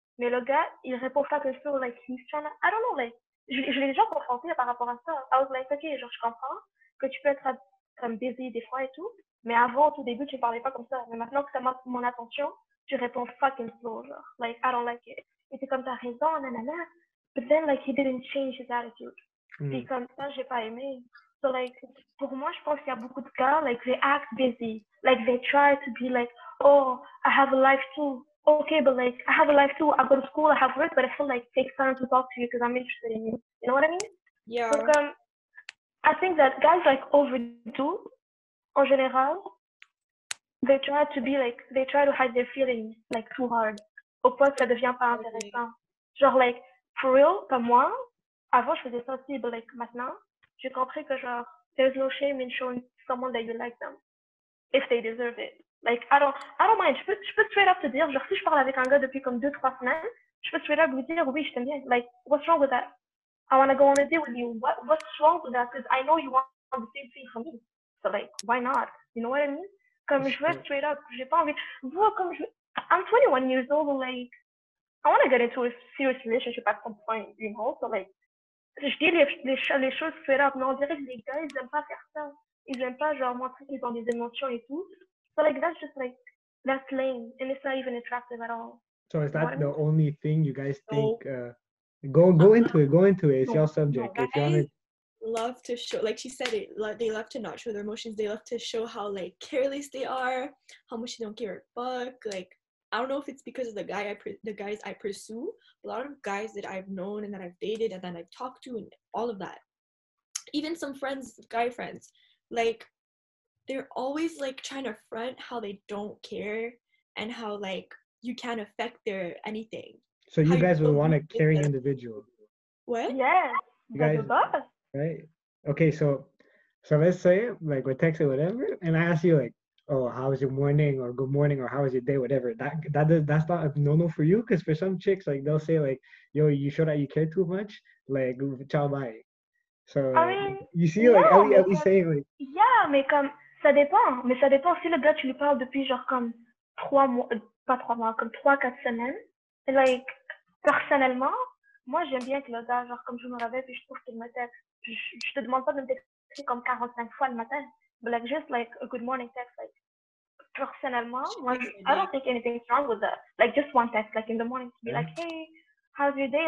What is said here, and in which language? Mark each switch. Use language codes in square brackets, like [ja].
[fr] Mais le gars, il répond pas que slow, like, [en] he's trying to, I don't know, [fr] like, je l'ai déjà confronté par rapport à ça. [en] I was like, okay, [fr] genre, je comprends que tu peux être comme busy des fois et tout, mais avant, au tout début, tu ne parlais pas comme ça. Mais maintenant que ça m'a mon attention, tu réponds [en] fucking slow, [fr] genre. [en] Like, I don't like it. [fr] Et c'est comme, t'as raison, nanana. [en] But then, like, he didn't change his attitude. [fr] Et comme ça, j'ai pas aimé. So, like, pour moi, je pense qu'il y a beaucoup de gars, like, [en] they act busy. Like, they try to be like, oh, I have a life too. Okay, but like, I have a life too. I go to school, I have work, but I feel like it takes time to talk to you because I'm interested in you. You know what I mean? Yeah. So, I think that guys like overdo, [fr] en général, [en] they try to be like, they try to hide their feelings like too hard. [fr] Au point que ça devient pas intéressant. Genre, like, [en] for real, [fr] comme moi, avant je faisais ça aussi, but like, maintenant, j'ai compris que genre, [en] there's no shame in showing someone that you like them if they deserve it. Like, I don't mind. [fr] Je peux straight up te dire, genre, si je parle avec un gars depuis comme 2-3 semaines, je peux straight up lui dire, oui, je t'aime bien. [en] Like, what's wrong with that? I want to go on a date with you. What's wrong with that? Because I know you want the same thing for me. So, like, why not? You know what I mean? [fr] Comme, je veux straight up. J'ai pas envie. Vous, comme je... [en] I'm 21 years old, [fr] like, [en] I want to get into a serious relationship at some point, you know? [fr] So, like, je dis les choses straight up, mais on dirait que les gars, ils aiment pas faire ça. Ils aiment pas, genre, montrer qu'ils ont des émotions et tout. [en] So, like, that's just, like, that's lame. And it's not even attractive at all. So, is that the only thing you guys think? Go into it. Go into it. It's your subject. No, guys love to show, like she said, they love to not show their emotions. They love to show how, like, careless they are, how much they don't care a fuck, like, I don't know if it's because of the guys I pursue. A lot of guys that I've known and that I've dated and that I've talked to and all of that. Even some friends, guy friends, like, they're always, like, trying to front how they don't care and how, like, you can't affect their anything. So you guys would want a caring individual. What? Yeah. You guys, right? Okay, so let's say, like, we're texting whatever, and I ask you, like, oh, how was your morning, or good morning, or how was your day, whatever. That's not a no-no for you, because for some chicks, like, they'll say, like, yo, you show that you care too much, like, ciao, bye. So, I mean, you see, yeah, like, Ellie saying, like... [fr] Yeah, mais comme, ça dépend. Mais ça dépend si le gars, tu lui parles depuis, genre, comme, trois, quatre semaines. Et, like, personnellement, moi, j'aime bien que le gars, genre, comme je me réveille, puis je trouve qu'il me texte. Je te demande pas de me texter comme 45 fois le matin. [en] But like, just like a good morning text, like, personnellement, I don't think anything's wrong with that. Like, just one text, like, in the morning, to be like, hey, how's your day?